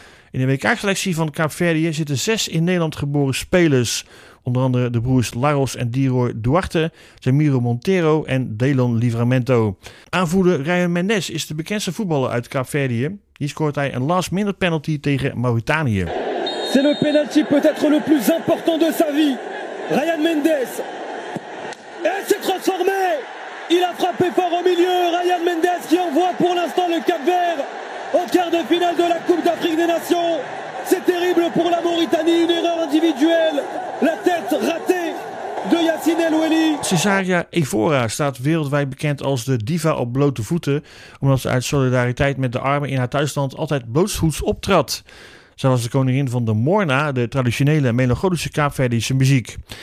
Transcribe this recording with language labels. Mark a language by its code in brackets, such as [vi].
[nl] In de WK-selectie van Kaapverdië zitten 6 in Nederland geboren spelers. Onder andere de broers Laros en Diroy Duarte, Jamiro Monteiro en Delon Livramento. Aanvoerder Ryan Mendes is de bekendste voetballer uit Kaapverdië. Hier scoort hij een last-minute penalty tegen Mauritanië. [fr] C'est le penalty peut-être le plus important de sa vie. Ryan Mendes. Et c'est transformé. Il a frappé fort au milieu. Ryan Mendes qui envoie pour l'instant le Cap-Vert au quart de finale de la Coupe d'Afrique des Nations. C'est terrible pour la Mauritanie, une erreur individuelle. La tête ratée de Yacine Elouelli. [nl] Cesaria Evora staat wereldwijd bekend als de diva op blote voeten, omdat ze uit solidariteit met de armen in haar thuisland altijd blootsvoets optrad. Zij was de koningin van de morna, de traditionele melancholische Kaapverdische muziek.